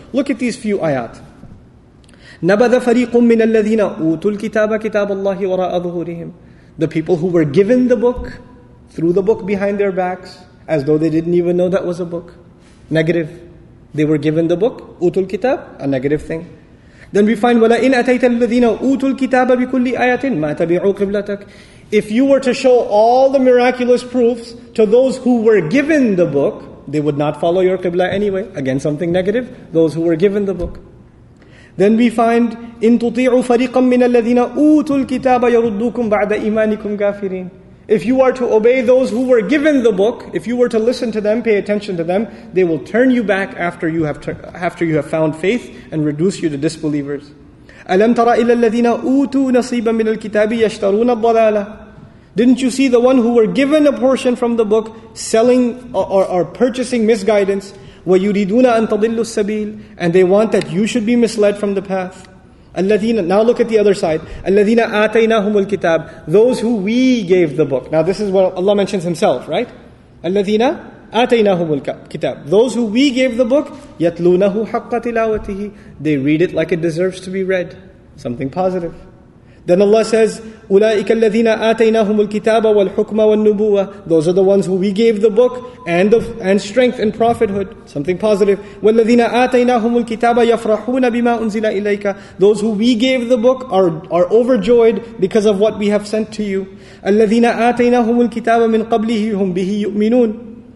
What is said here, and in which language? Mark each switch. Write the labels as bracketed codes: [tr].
[en] Look at these few ayat. [ar] نَبَذَ فَرِيقٌ مِّنَ الَّذِينَ أُوتُوا الْكِتَابَ كِتَابَ اللَّهِ وَرَاءَ ظُهُورِهِمْ. [en] The people who were given the book, threw the book behind their backs, as though they didn't even know that was a book. Negative. They were given the book, [ar] أُوتُوا الْكِتَابَ, [en] a negative thing. Then we find, [ar] وَلَئِنْ أَتَيْتَ الَّذِينَ أُوتُوا الْكِتَابَ بِكُلِّ آيَةٍ مَا تَبِعُوا قِبْلَتَكَ. [en] If you were to show all the miraculous proofs to those who were given the book, they would not follow your qibla anyway. Again, something negative. Those who were given the book. Then we find, [ar] إِن تُطِيعُوا فَرِيقًا مِّنَ الَّذِينَ أُوتُوا الْكِتَابَ يَرُدُّوكُمْ بَعْدَ إِيمَانِكُمْ كَافِرِينَ. [en] If you are to obey those who were given the book, if you were to listen to them, pay attention to them, they will turn you back after you have found faith and reduce you to disbelievers. [ar] أَلَمْ تَرَ إِلَّا الَّذِينَ أُوتُوا نَصِيبًا مِّنَ الْكِتَابِ يَشْتَرُونَ الضَّلَالَةِ. [en] Didn't you see the one who were given a portion from the book, selling or purchasing misguidance? [ar] وَيُرِيدُونَ أَن تَضِلُّوا السَّبِيلِ. [en] And they want that you should be misled from the path. الَّذِينَ, now look at the other side. [ar] الَّذِينَ آتَيْنَاهُمُ الْكِتَابِ. [en] Those who we gave the book. Now this is what Allah mentions Himself, right? [ar] الَّذِينَ آتَيْنَاهُمُ الْكِتَابِ. [en] Those who we gave the book, [ar] يَتْلُونَهُ حَقَّ تِلَاوَتِهِ. [en] They read it like it deserves to be read. Something positive. Then Allah says, [ar] أُولَٰئِكَ الَّذِينَ آتَيْنَاهُمُ الْكِتَابَ وَالْحُكْمَ وَالنُّبُوَّةِ. [en] Those are the ones who we gave the book and strength and prophethood. Something positive. [ar] وَالَّذِينَ آتَيْنَاهُمُ الْكِتَابَ يَفْرَحُونَ بِمَا أُنزِلَ إِلَيْكَ. [en] Those who we gave the book are overjoyed because of what we have sent to you. [ar] الَّذِينَ آتَيْنَاهُمُ الْكِتَابَ مِنْ قَبْلِهِ هُمْ بِهِ يُؤْمِنُونَ.